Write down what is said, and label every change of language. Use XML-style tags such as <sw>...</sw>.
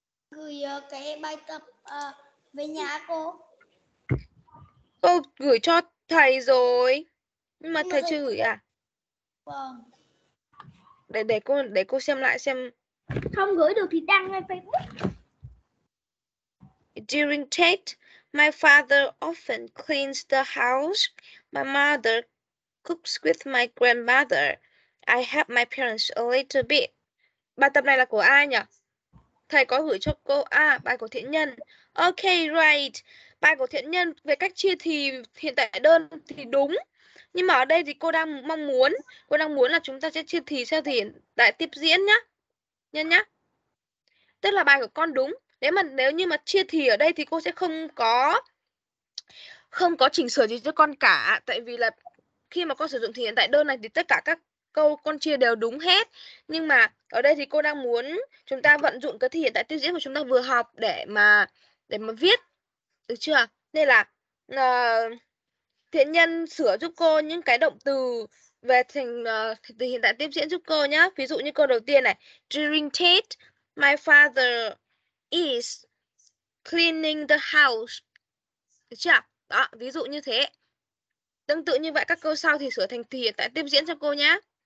<vi>Gửi cái bài tập về nhà cô. Cô gửi cho thầy rồi. Nhưng mà thầy chưa gửi à? Vâng. Để cô xem lại xem. Không gửi được thì đăng lên Facebook.</vi> <en>During Tết, my father often cleans the house. My mother cooks with my grandmother. I help my parents a little bit.</en> <vi>Bài tập này là của ai nhỉ? Thầy có gửi cho cô. À, bài của Thiện Nhân. Ok, right. Bài của Thiện Nhân về cách chia thì hiện tại đơn thì đúng. Nhưng mà ở đây thì cô đang mong muốn. Cô đang muốn là chúng ta sẽ chia thì sao thì lại tiếp diễn nhá. Nhân nhá. Tức là bài của con đúng. Nếu như mà chia thì ở đây thì cô sẽ không có chỉnh sửa gì cho con cả. Tại vì là khi mà con sử dụng thì hiện tại đơn này thì tất cả các câu con chia đều đúng hết. Nhưng mà ở đây thì cô đang muốn chúng ta vận dụng cái thì hiện tại tiếp diễn mà chúng ta vừa học để mà viết. Được chưa? Nên là Thiện Nhân sửa giúp cô những cái động từ về từ hiện tại tiếp diễn giúp cô nhá. Ví dụ như câu đầu tiên này.</vi> <en>During Tết, my father is cleaning the house.</en> <vi>Được chưa? Đó, ví dụ như thế. Tương tự như vậy các câu sau thì sửa thành thì hiện tại tiếp diễn cho cô nhá.</vi>